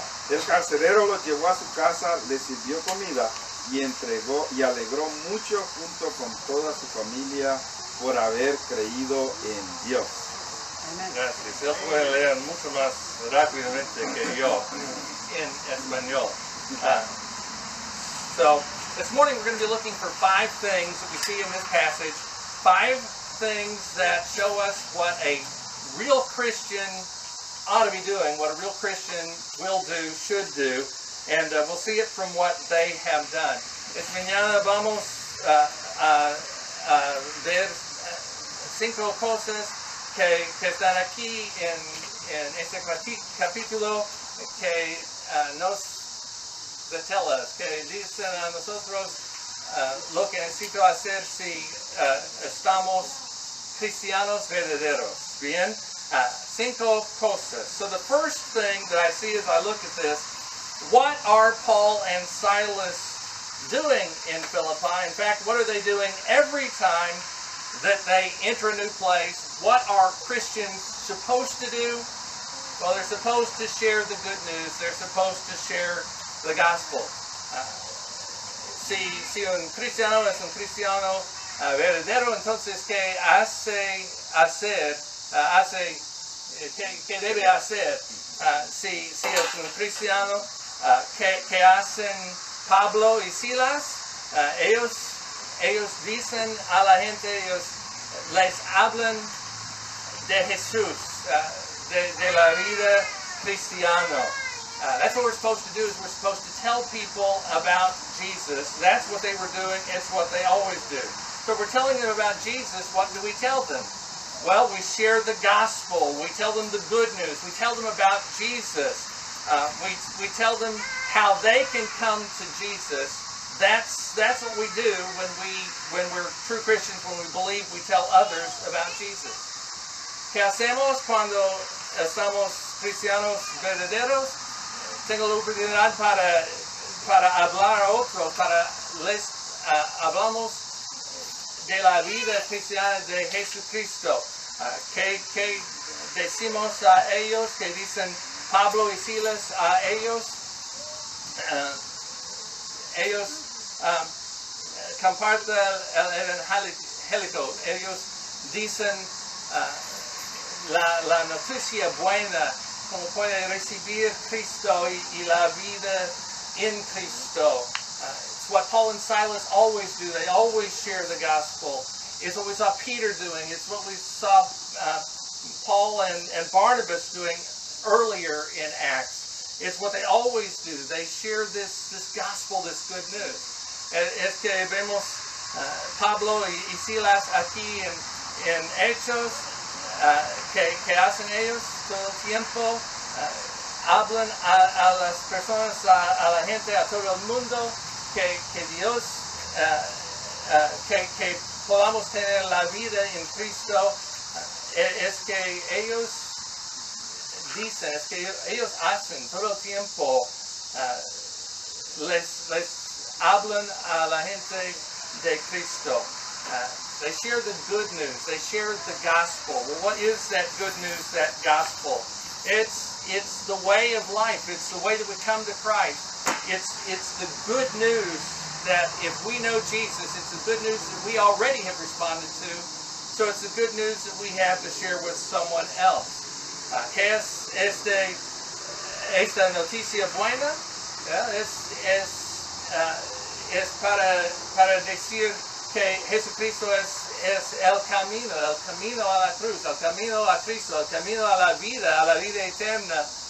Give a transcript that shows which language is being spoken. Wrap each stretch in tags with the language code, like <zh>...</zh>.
<es>El carcelero los llevó a su casa, les sirvió comida y entregó y alegró mucho junto con toda su familia por haber creído en Dios. Gracias. Él puede leer mucho más rápidamente que yo en español.</es> <en>So, this morning we're going to be looking for five things that we see in this passage. Five things that show us what a real Christian ought to be doing, what a real Christian will do, should do. And we'll see it from what they have done.</en> <es>Es mañana vamos a ver cinco cosas que están aquí en este capítulo que nos detallas, que dicen a nosotros lo que necesito hacer si estamos cristianos verdaderos. Bien, cinco cosas.</es> <en>So the first thing that I see as I look at this, what are Paul and Silas doing in Philippi? In fact, what are they doing every time that they enter a new place? What are Christians supposed to do? Well, they're supposed to share the good news. They're supposed to share the gospel.</en> <es>Si un cristiano es un cristiano verdadero, entonces qué hace hacer? Hace qué debe hacer? Si es un cristiano, qué hacen Pablo y Silas? Ellos dicen a la gente, ellos les hablan de Jesús, de la vida cristiana.</es> <en>That's what we're supposed to do, is we're supposed to tell people about Jesus. That's what they were doing, it's what they always do. So we're telling them about Jesus, what do we tell them? Well, we share the gospel, we tell them the good news, we tell them about Jesus. We tell them how they can come to Jesus. That's what we do when we're true Christians, when we believe, we tell others about Jesus.</en> <es>¿Qué hacemos cuando estamos cristianos verdaderos? Tengo la oportunidad para hablar a otros, para les hablamos de la vida cristiana de Jesucristo. ¿Qué decimos a ellos? ¿Qué dicen Pablo y Silas a ellos? Ellos comparten el evangelio. Ellos dicen la noticia buena, como puede recibir Cristo y la vida en Cristo.</es> <en>It's what Paul and Silas always do. They always share the gospel. It's what we saw Peter doing. It's what we saw Paul and Barnabas doing earlier in Acts. It's what they always do. They share this gospel, this good news.</en> <es>Es que vemos Pablo y Silas aquí en Hechos, que hacen ellos todo el tiempo, hablan a las personas, a la gente, a todo el mundo, que Dios, que podamos tener la vida en Cristo. Es que ellos dicen, es que ellos hacen todo el tiempo, les hablan a la gente de Cristo.</es> <en>They share the good news. They share the gospel. Well, what is that good news, that gospel? It's the way of life. It's the way that we come to Christ. It's the good news that if we know Jesus, it's the good news that we already have responded to. So it's the good news that we have to share with someone else.</en> <es>¿Qué es esta noticia buena? Es para decir que Jesucristo es el camino a la cruz, el camino a Cristo, el camino a la vida eterna.</es>